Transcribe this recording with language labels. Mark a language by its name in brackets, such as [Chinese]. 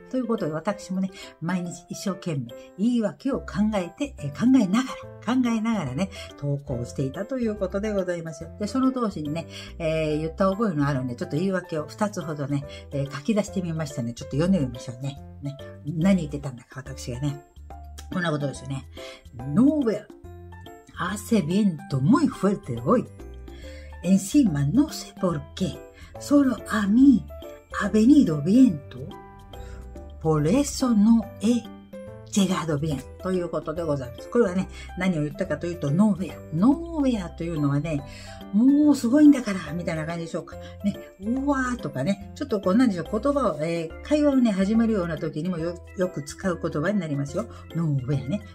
[Japanese] ということで、私もね、毎日一生懸命言い訳を考えながらね、投稿していたということでございますよ。で、その当時にね、言った覚えのあるんで、ちょっと言い訳を2つほどね、書き出してみましたね。ちょっと読んでみましょう ね。何言ってたんだか、私がね、こんなことですよね。 [English] No way [Spanish] hace viento muy fuerte hoyEncima no sé por qué, solo a mí ha venido viento, por eso no he llegado bien. [Japanese] ということでございます。これはね、何を言ったかというと、ノーウェア。ノーウェアというのはね、もうすごいんだから、みたいな感じでしょうか。ね、うわーとかね、ちょっとこう、なんでしょう、言葉を、会話をね、始めるような時にも よく使う言葉になりますよ。ノーウェアね。